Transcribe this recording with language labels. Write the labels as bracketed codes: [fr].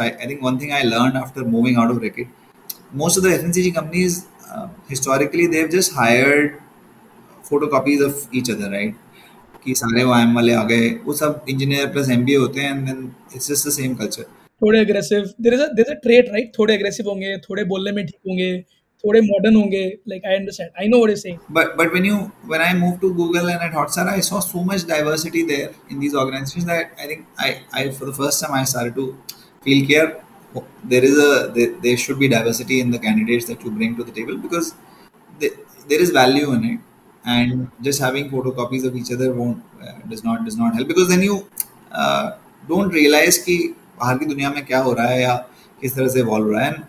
[en] I think one thing I learned after moving out of Reckitt, most of the FMCG companies, historically, they've just hired photocopies of each other, right? [hi] Ki sare OIM wale aa gaye, wo sab engineer plus MBA hote hain, [en] and then it's just the same culture. थोड़े aggressive, there is a trait, right? [hi] थोड़े aggressive होंगे, थोड़े बोलने में ठीक होंगे, थोड़े modern होंगे. [en] Like, I understand, I know what you're saying. But when I moved to Google and at Hotstar, I saw so much diversity there in these organizations that I think I for the first time I started to feel care. There should be diversity in the candidates that you bring to the table, because there is value in it, and just having photocopies of each other does not help, because then you don't realize [hi] ki bahar ki duniya mein kya ho raha hai [en] ya kis tarah se evolve raha hai.